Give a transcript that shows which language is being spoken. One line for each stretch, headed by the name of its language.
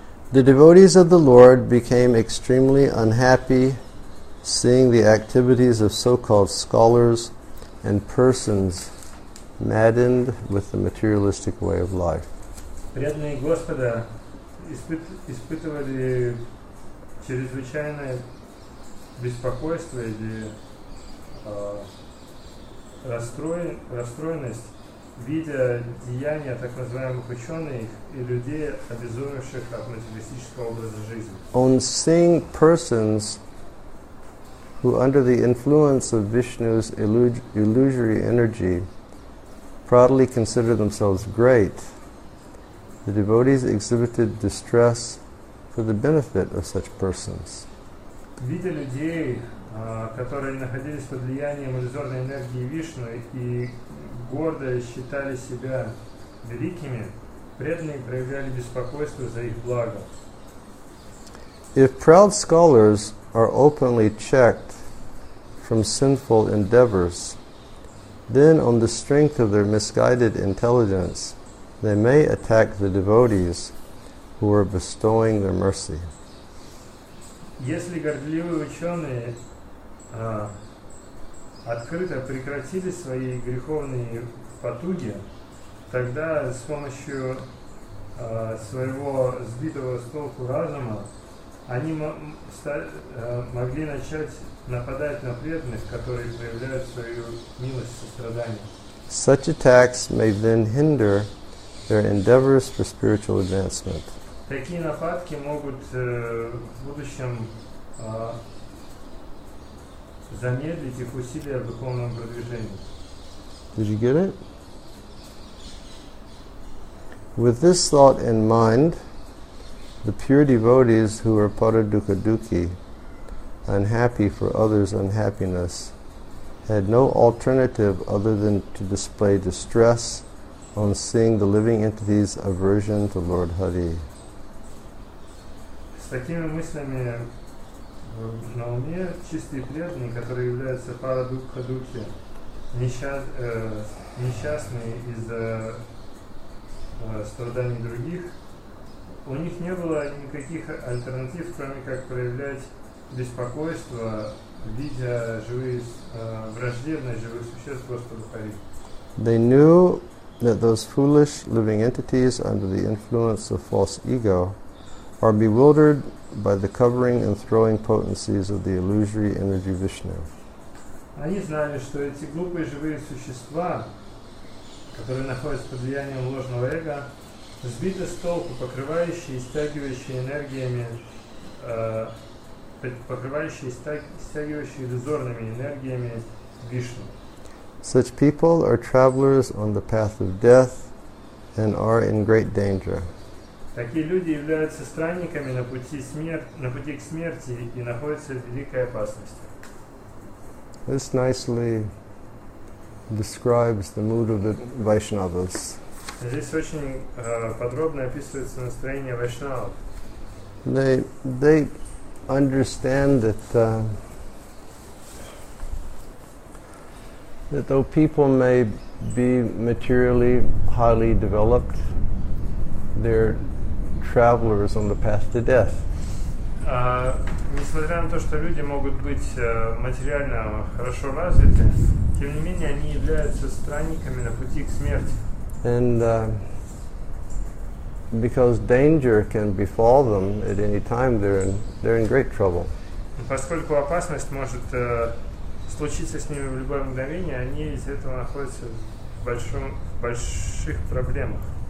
English: The devotees of the Lord became extremely unhappy seeing the activities of so-called scholars and persons maddened with the materialistic way of life.
Russian: Преданные Господа испытывали чрезвычайное беспокойство или расстроенность, видя деяния так называемых ученых и людей, обезумевших от материалистического образа жизни.
English: On seeing persons who under the influence of Vishnu's illusory energy proudly consider themselves great, the devotees exhibited distress for the benefit of such persons.
Russian: Видя людей, которые находились под влиянием иллюзорной энергии Вишну и гордо считали себя великими, преданные проявляли беспокойство за их благо.
English: If proud scholars are openly checked from sinful endeavors, then on the strength of their misguided intelligence, they may attack the devotees who are bestowing their mercy.
Russian: Если горделивые ученые открыто прекратили свои греховные потуги, тогда с помощью своего сбитого с толку разума они могли начать нападать на преданных, которые проявляют свою милость и сострадание.
English: Such attacks may then hinder their endeavors for spiritual advancement.
Russian: Такие нападки могут в будущем замедлить их усилия в духовном продвижении.
English: Did you get it? With this thought in mind, the pure devotees who are Paradukaduki, unhappy for others' unhappiness, had no alternative other than to display distress on seeing the living entity's aversion to Lord Hari.
Russian: С такими мыслями на уме чистые преданные, которые являются парадукха-духи, несчастные из-за страданий других, у них не было никаких альтернатив, кроме как проявлять беспокойство, видя живые, враждебные живые существа Господу Хари.
English: They knew that those foolish living entities under the influence of false ego are bewildered by the covering and throwing potencies of the illusory energy Vishnu.
Russian: Они знали, что эти глупые живые существа, которые находятся под влиянием ложного эго, сбиты с толку, покрывающие и стягивающие энергиями, покрывающие и стягивающие иллюзорными энергиями Вишну.
English: Such people are travelers on the path of death and are in great danger.
Russian: Такие люди являются странниками на пути смерти, на пути к смерти и находятся в великой опасности.
English: This nicely describes the mood of the Vaishnavas.
Russian: Здесь очень подробно описывается настроение вайшнавов.
English: They understand that that though people may be materially highly developed, they're travelers on the path to death.
Russian: Несмотря на то, что люди могут быть материально хорошо развиты, тем не менее они являются странниками на пути к смерти.
English: And because danger can befall them at any time, they're in great trouble.
Russian: Поскольку опасность может случиться с ними в любое мгновение, они из-за этого находятся в больших проблемах.